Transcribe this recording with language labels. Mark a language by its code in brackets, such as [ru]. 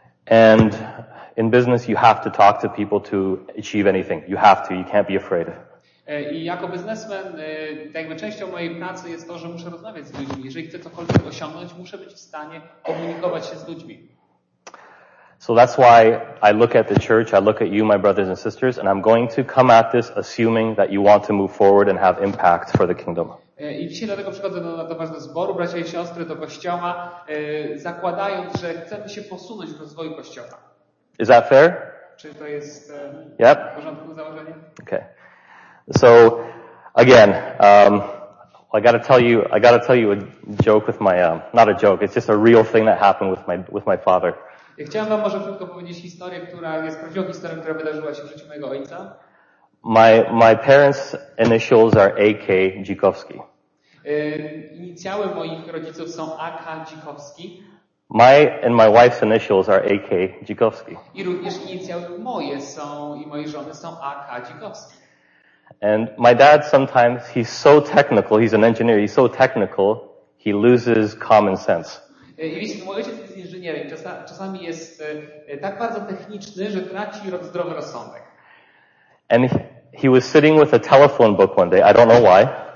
[en] And in business you have to talk to people to achieve anything. You have to. You can't be afraid. [pl] I jako biznesmen, częścią mojej pracy jest to, że muszę rozmawiać z ludźmi. Jeżeli chcę cokolwiek osiągnąć, muszę być w stanie komunikować się z ludźmi. [en] So that's why I look at the church, I look at you, my brothers and sisters, and I'm going to come at this assuming that you want to move forward and have impact for the kingdom. [pl] I dzisiaj dlatego przychodzę do Was do zboru, bracia i siostry, do kościoła, zakładając, że chcemy się posunąć w rozwoju kościoła. [en] Is that fair? [pl] Czy to jest [en] yep. [pl] W porządku założenie? [en] Okay. So, again, I gotta tell you a joke with my, not a joke, it's just a real thing that happened with my father. [pl] Ja chciałem wam może krótko powiedzieć historię, która jest prawdziwą historią, która wydarzyła się w życiu mojego ojca. [en] My parents' initials are A.K. Dzikowski. [pl] Inicjały moich rodziców są A.K. Dzikowski. [en] My and my wife's initials are A.K. Dzikowski. [pl] I również inicjały moje są i mojej żony są A.K. Dzikowski. [en] And my dad sometimes, he's so technical, he's an engineer, he's so technical, he loses common sense. [pl] I wiecie, mój ojciec jest inżynierem, czasami jest tak bardzo techniczny, że traci zdrowy rozsądek. [en] And he was sitting with a telephone book one day, I don't know why.